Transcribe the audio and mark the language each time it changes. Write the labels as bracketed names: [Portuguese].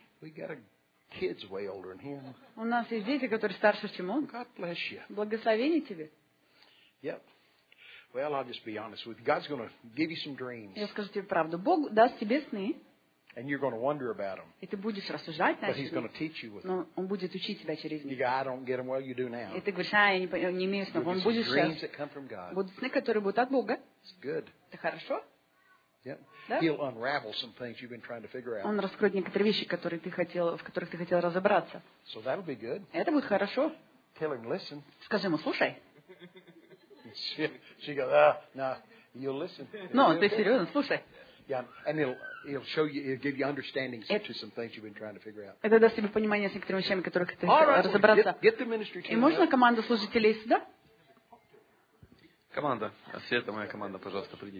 [English] We got a kids way older than him. [Russian] У нас есть дети, которые старше, чем он. [English] God bless you. [Russian] Благословение тебе. [English] Yep. Well, I'll just be honest with you. God's going to give you some dreams. [Russian] Я скажу тебе правду. Бог даст тебе сны. [English] And you're going to wonder about them. [Russian] И ты будешь рассуждать над ними. [English] But he's going to teach you with them. [Russian] Но он будет учить тебя через них. [English] You go, I don't get them. Well, you do now. [Russian] И ты говоришь, а я не имею сны. Он будет сейчас. [English] Dreams that come from God. [Russian] Будут сны, которые будут от Бога. [English] It's good. [Russian] Это хорошо? [English] He'll unravel some things you've been trying to figure out. [Russian] Он раскроет некоторые вещи, которые ты хотел, в которых ты хотел разобраться. [English] So that'll be good. [Russian] Это будет хорошо. [English] Tell him, listen. [Russian] Скажи ему, слушай. [English] She goes, ah, nah, you'll listen. No, [Russian] ты серьезно, слушай. [English] Yeah, and he'll show you, he'll give you understanding to some things you've been trying to figure out. [Russian] Это даст тебе понимание с некоторыми вещами, которых ты хотел разобраться. [English] All right, get the ministry team. [Russian] И можно команду служителей сюда? Команда, Света, моя команда, пожалуйста, придите.